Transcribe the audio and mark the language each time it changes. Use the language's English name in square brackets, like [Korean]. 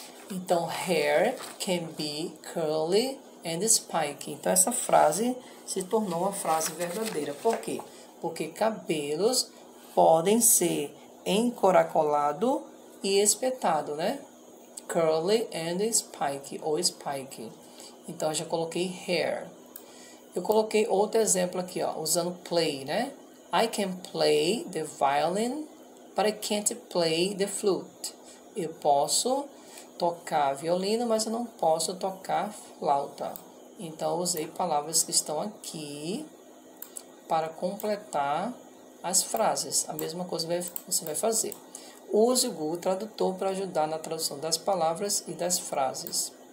[Portuguese] Então, [English] hair can be curly and spiky. [Portuguese] Então, essa frase se tornou uma frase verdadeira. Por quê? Porque cabelos podem ser encoracolado e espetado, né? [English] Curly and spiky, ou spiky. [Portuguese] Então, eu já coloquei [English] hair. [Portuguese] Eu coloquei outro exemplo aqui, ó, usando play, né? [English] I can play the violin, but I can't play the flute. [Portuguese] Eu posso tocar violino, mas eu não posso tocar flauta. Então, eu usei palavras que estão aqui para completar as frases, a mesma coisa você vai fazer. Use o Google Tradutor para ajudar na tradução das palavras e das frases.